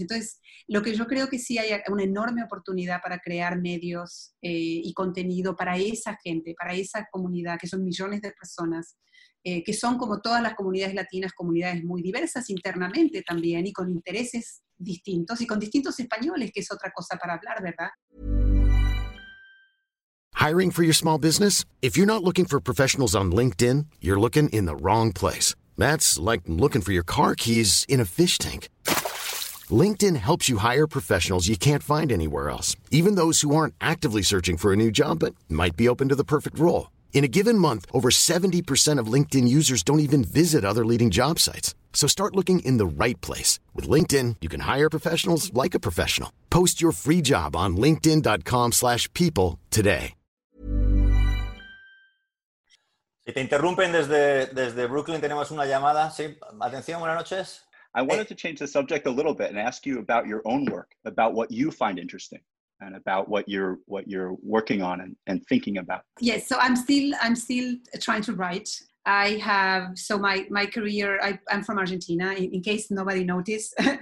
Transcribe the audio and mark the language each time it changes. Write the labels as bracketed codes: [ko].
[es] Entonces, lo que yo creo que sí hay una enorme oportunidad para crear medios y contenido para esa gente, para esa comunidad, que son millones de personas, que son como todas las comunidades latinas, comunidades muy diversas internamente también, y con intereses distintos, y con distintos españoles, que es otra cosa para hablar, ¿verdad? [en] Hiring for your small business? If you're not looking for professionals on LinkedIn, you're looking in the wrong place. That's like looking for your car keys in a fish tank. LinkedIn helps you hire professionals you can't find anywhere else, even those who aren't actively searching for a new job but might be open to the perfect role. In a given month, over 70% of LinkedIn users don't even visit other leading job sites. So start looking in the right place. With LinkedIn, you can hire professionals like a professional. Post your free job on linkedin.com/people today. [es] Y te interrumpen desde Brooklyn, tenemos una llamada. Sí, atención, buenas noches. [en] I wanted to change the subject a little bit and ask you about your own work, about what you find interesting and about what you're working on and thinking about. Yes, so I'm still trying to write. I have, so my career, I'm from Argentina, in case nobody noticed.